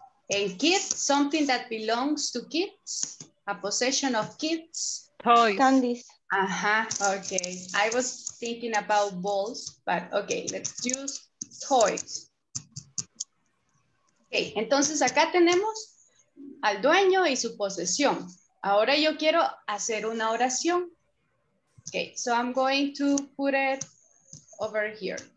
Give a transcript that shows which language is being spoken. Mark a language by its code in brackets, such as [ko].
[en] And kids, something that belongs to kids, a possession of kids. Toys. Candies. Uh-huh, okay. I was thinking about balls, but okay, let's use toys. [es] Okay, entonces acá tenemos al dueño y su posesión. Ahora yo quiero hacer una oración. [en] Okay, so I'm going to put it over here.